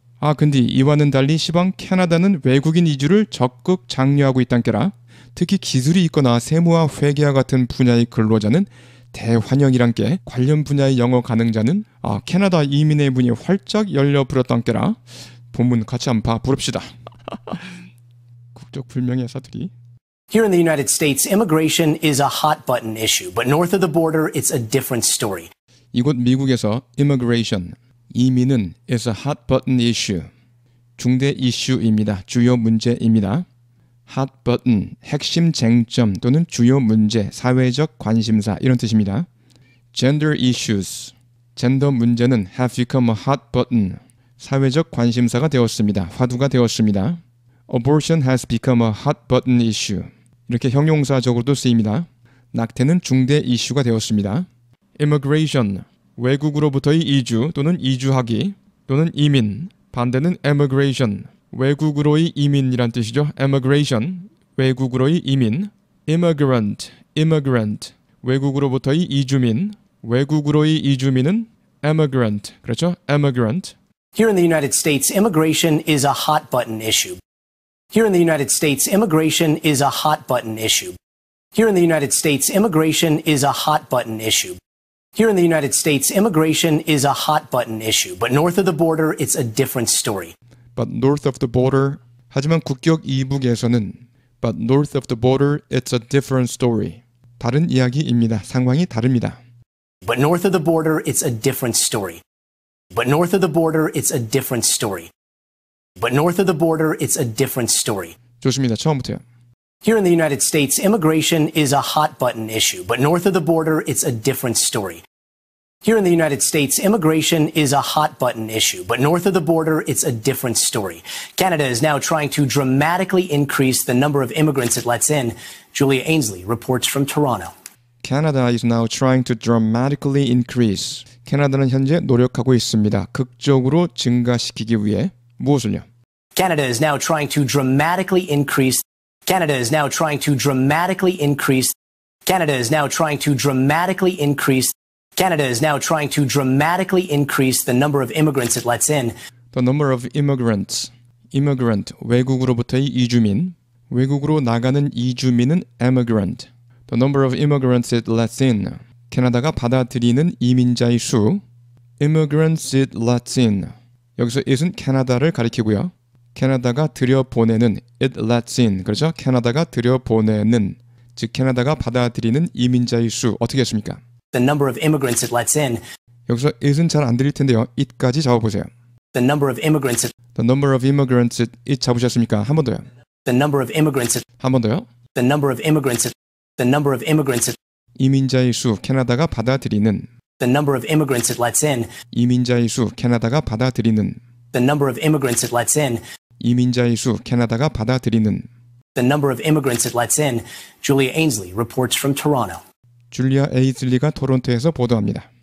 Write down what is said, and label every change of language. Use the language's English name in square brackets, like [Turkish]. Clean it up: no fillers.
[Korean] 아 근데 이와는 달리 시방 캐나다는 외국인 이주를 적극 장려하고 있단 게라. 특히 기술이 있거나 세무와 회계와 같은 분야의 근로자는 대환영이란 게 관련 분야의 영어 가능자는 아 캐나다 이민의 문이 활짝 열려 불었단 게라. 본문 같이 한번 봐 부릅시다. 국적 불명의 사투리. [English] Here in the United States, immigration is a hot button issue, but north of the border, it's a different story. [Korean] 이곳 미국에서 [English] immigration, [Korean] 이민은 [English] is a hot button issue. [Korean] 중대 이슈입니다. 주요 문제입니다. hot button, 핵심 쟁점 또는 주요 문제, 사회적 관심사 이런 뜻입니다. [English] gender issues, [Korean] 젠더 문제는 [English] have become a hot button. [Korean] 사회적 관심사가 되었습니다. 화두가 되었습니다. [English] Abortion has become a hot button issue. [Korean] 이렇게 형용사적으로도 쓰입니다. 낙태는 중대 이슈가 되었습니다. Immigration, 외국으로부터의 이주 또는 이주하기 또는 이민, 반대는 emigration, 외국으로의 이민이란 뜻이죠. Emigration, 외국으로의 이민. Immigrant, immigrant, 외국으로부터의 이주민, 외국으로의 이주민은 emigrant, 그렇죠? [English] Emigrant. Here in the United States, immigration is a hot button issue. Here in the United States, immigration is a hot button issue. Here in the United States, immigration is a hot button issue. Here in the United States, immigration is a hot button issue. But north of the border, it's a different story. But north of the border, [Korean] 하지만 국경 이북에서는 [English] But north of the border, it's a different story. [Korean] 다른 이야기입니다. 상황이 다릅니다. [English] But north of the border, it's a different story. But north of the border, it's a different story. But north of the border, it's a different story. [Korean] 좋습니다. 처음부터요. [English] Here in the United States, immigration is a hot button issue. But north of the border, it's a different story. Here in the United States, immigration is a hot button issue. But north of the border, it's a different story. Canada is now trying to dramatically increase the number of immigrants it lets in. Julia Ainsley reports from Toronto. Canada is now trying to dramatically increase. [Korean] 캐나다는 현재 노력하고 있습니다. 극적으로 증가시키기 위해 무엇을요? [English] Canada is now trying to dramatically increase. Canada is now trying to dramatically increase. Canada is now trying to dramatically increase. Canada is now trying to dramatically increase the number of immigrants it lets in. The number of immigrants. [Korean] Immigrant, 외국으로부터의 이주민. 외국으로 나가는 이주민은 emigrant. [English] The number of immigrants it lets in. [Korean] 캐나다가 받아들이는 이민자의 수. [English] Immigrants it lets in. [Korean] 여기서 it은 캐나다를 가리키고요. 캐나다가 들여보내는 [English] it lets in. [Korean] 그렇죠? 캐나다가 들여보내는 즉 캐나다가 받아들이는 이민자의 수. 어떻게 했습니까? [English] The number of immigrants it lets in. [Korean] 여기서 it은 잘 안 들릴 텐데요. it까지 잡아보세요. [English] The number of immigrants it. The number of immigrants it. [Korean] it 잡으셨습니까? 한 번 더요. [English] The number of immigrants it. [Korean] 한 번 더요. [English] The number of immigrants it. The number of immigrants it. [Korean] 이민자의 수 캐나다가 받아들이는 [English] The number of immigrants it lets in [Korean] 이민자의 수 캐나다가 받아들이는 [English] The number of immigrants it lets in [Korean] 이민자의 수 캐나다가 받아들이는 [English] The number of immigrants it lets in Julia Ainsley reports from Toronto. [Korean] 줄리아 에이슬리가 토론토에서 보도합니다.